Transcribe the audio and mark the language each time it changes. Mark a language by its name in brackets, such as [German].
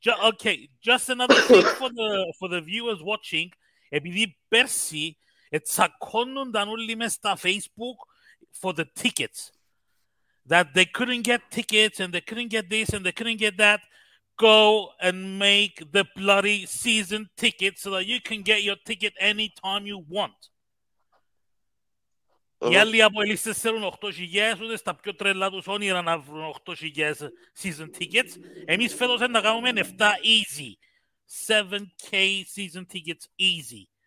[English] Okay, just another thing for the viewers watching. [Greek] Επειδή πέρσι τσακώνονταν όλοι μες στα Facebook [English] for the tickets. That they couldn't get tickets and they couldn't get this and they couldn't get that. Go and make the bloody season ticket so that you can get your ticket anytime you want. [Greek] Οι άλλοι από ελίστες θέλουν 8.000, ούτε στα πιο τρελά τους όνειρα να βρουν 8.000 season tickets. Εμείς φέτος να κάνουμε 7 easy. [English] 7K season tickets easy.